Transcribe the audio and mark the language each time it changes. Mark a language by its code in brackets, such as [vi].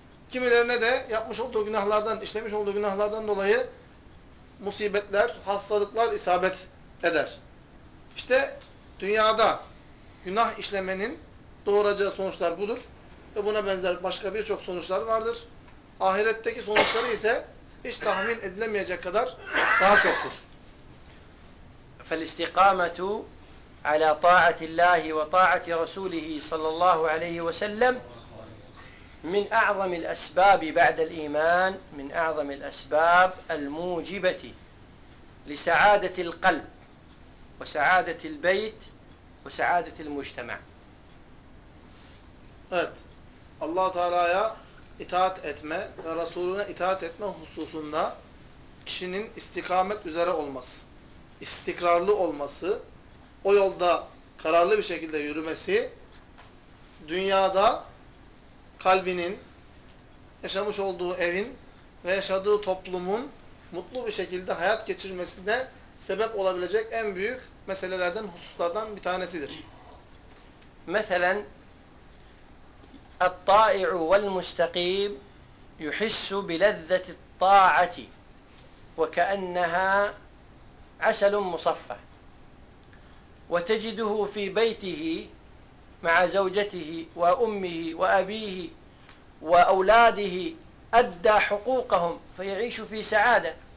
[tr] Kimilerine de yapmış olduğu günahlardan, işlemiş olduğu günahlardan dolayı musibetler, hastalıklar isabet eder. İşte dünyada günah işlemenin doğuracağı sonuçlar budur. Ve buna benzer başka birçok sonuçlar vardır. Ahiretteki sonuçları ise hiç tahmin edilemeyecek kadar daha çoktur. [ar] فَالْاِسْتِقَامَةُ عَلَى طَاعَةِ اللّٰهِ وَطَاعَةِ رَسُولِهِ صَلَى اللّٰهُ عَلَيْهِ وَسَلَّمْ من أعظم الأسباب بعد الإيمان من أعظم الأسباب الموجبة لسعادة القلب وسعادة البيت وسعادة المجتمع. [tr] Evet. Allah Teala'ya itaat etme ve Resulüne itaat etme hususunda kişinin istikamet üzere olması, istikrarlı olması, o yolda kararlı bir şekilde yürümesi dünyada kalbinin, yaşamış olduğu evin ve yaşadığı toplumun mutlu bir şekilde hayat geçirmesine sebep olabilecek en büyük meselelerden, hususlardan bir tanesidir. Mesela [ar] الطائع والمستقيم يحس بلذة الطاعة وكأنها عسل مصفى وتجده في بيته مع زوجته وأمه وأبيه وأولاده أدى حقوقهم فيعيش في سعادة